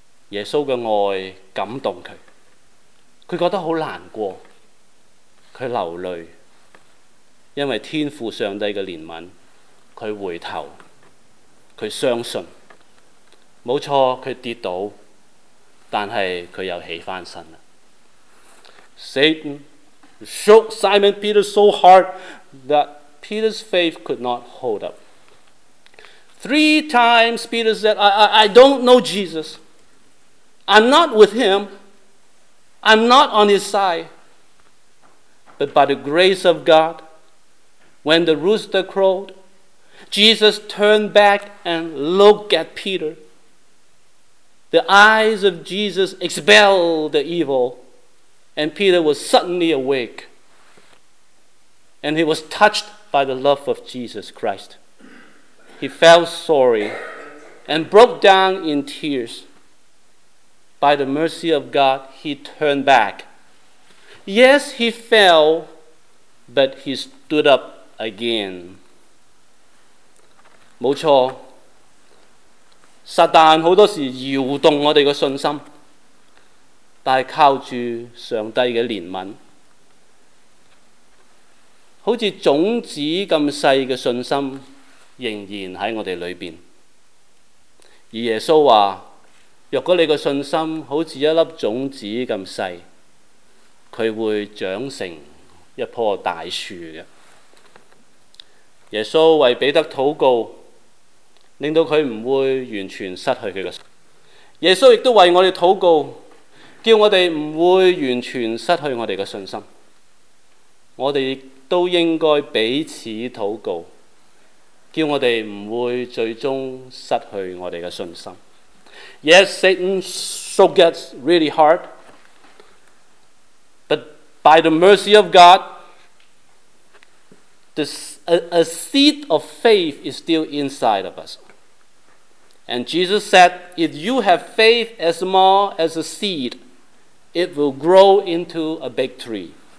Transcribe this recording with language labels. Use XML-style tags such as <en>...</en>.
<zh>耶穌的愛感動他，他覺得很難過，他流淚，因為天父上帝的憐憫，他回頭，他相信，沒錯，他跌倒，但是他又起翻身了。</zh> <en>Satan shook Simon Peter so hard that Peter's faith could not hold up. Three times Peter said, I don't know Jesus. I'm not with him. I'm not on his side. But by the grace of God, when the rooster crowed, Jesus turned back and looked at Peter. The eyes of Jesus expelled the evil, and Peter was suddenly awake. And he was touched by the love of Jesus Christ. He felt sorry and broke down in tears. By the mercy of God, he turned back. Yes, he fell, but he stood up again。</en> <zh>没错，撒旦很多时摇动我们的信心，但是靠住上帝的怜悯，好像种子那么小的信心仍然在我们里面。而耶稣说，若果你的信心好像一粒种子那么小，它会长成一棵大树的。耶稣为彼得祷告，令到他不会完全失去他的信心。耶稣亦都为我们祷告，叫我们不会完全失去我们的信心。我们亦都应该彼此祷告，叫我们不会最终失去我们的信心。</zh> <en>Yes, Satan so gets really hard, but by the mercy of God, a seed of faith is still inside of us. And Jesus said, if you have faith as small as a seed, it will grow into a big tree.</en>